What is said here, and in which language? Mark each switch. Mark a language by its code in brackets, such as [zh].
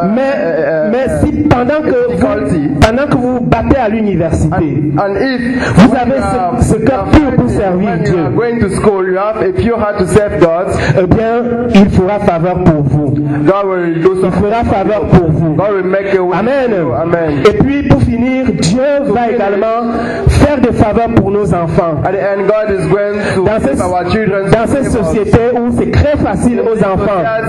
[fr] mais si pendant que vous battez à l'université, [en] and if [fr] vous avez ce cœur pur pour servir Dieu, [en] going to school, you have a pure heart to serve God. [fr] Eh bien, il fera faveur pour vous. [en] God will do [fr] il fera faveur pour vous. [en] God will make a way. Amen. Amen. [fr] Et puis, pour finir, Dieu va également faire des faveurs pour nos enfants. [en] At the end, God is going to our children. [fr] Dans cette société où c'est très facile aux enfants.